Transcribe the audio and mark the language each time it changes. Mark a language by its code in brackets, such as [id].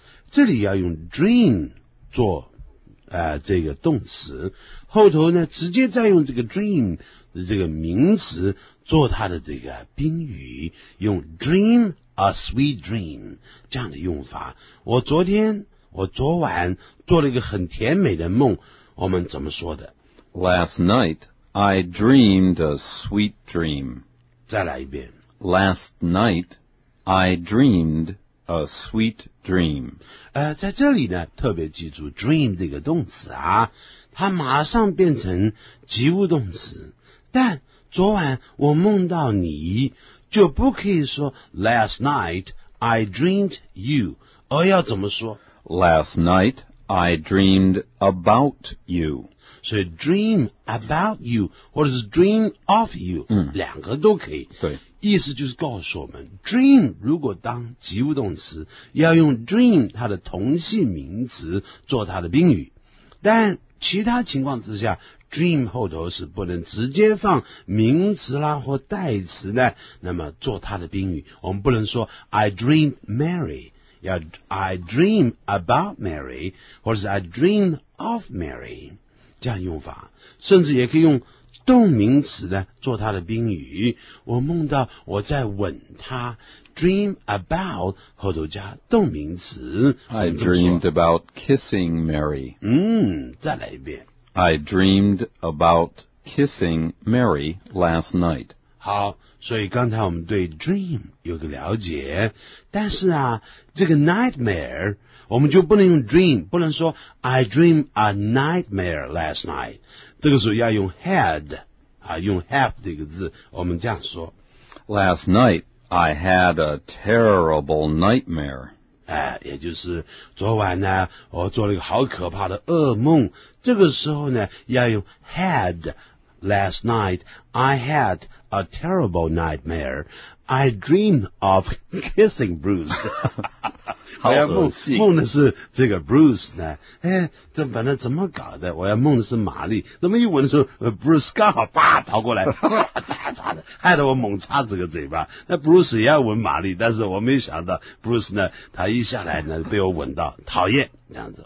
[zh] 这里要用 dream 做这个动词，后头呢直接再用这个 dream 的这个名词做它的这个宾语，用 [en] dream a sweet dream [zh] 这样的用法。我昨晚做了一个很甜美的梦，我们怎么说的？ [en] Last night, I dreamed a sweet dream. [zh] 再来一遍。 [en] Last night, I dreamed a sweet dream. [zh] 在这里呢，特别记住 dream 这个动词啊，它马上变成及物动词。但昨晚我梦到你，就不可以说 [en] Last night, I dreamed you. [zh] 而要怎么说？ [en] Last night,I dreamed about you. So dream about you, [zh] 或者是 [en] dream of you,、 [zh] 两个都可以。对。意思就是告诉我们 ,dream 如果当及物动词，要用 dream 它的同系名词做它的宾语。但其他情况之下 dream 后头是不能直接放名词啦或代词的，那么做它的宾语，我们不能说 [en] I dream Mary， [zh] 要 [en] I dream about Mary， [zh] 或者是 [en] I dream of Mary， [zh] 这样用法。甚至也可以用动名词的做它的宾语，我梦到我在吻他， [en] dream about [zh] 后头加动名词。 [en] I dreamed about kissing Mary。 [zh] 再来一遍。 [en] I dreamed about kissing Mary last night。 [zh] 好，所以刚才我们对 dream 有个了解，但是啊，这个 nightmare 我们就不能用 dream， 不能说 [en] I dream a nightmare last night， [zh] 这个时候要用 had 啊，用 have 这个字，我们这样说 [en] Last night I had a terrible nightmare、 [zh] 也就是昨晚呢我做了一个好可怕的噩梦，这个时候呢要用 had。 [en] Last night I had a terrible nightmare I dreamed of kissing Bruce [zh] 好恶心，梦的是这个 Bruce 呢，这本来怎么搞的，我要梦的是玛丽，那么一闻的时候 Bruce 刚好啪跑过来害得我猛插这个嘴巴，那 Bruce 也要闻玛丽，但是我没想到 Bruce 呢他一下来呢被我闻到，讨厌这样子。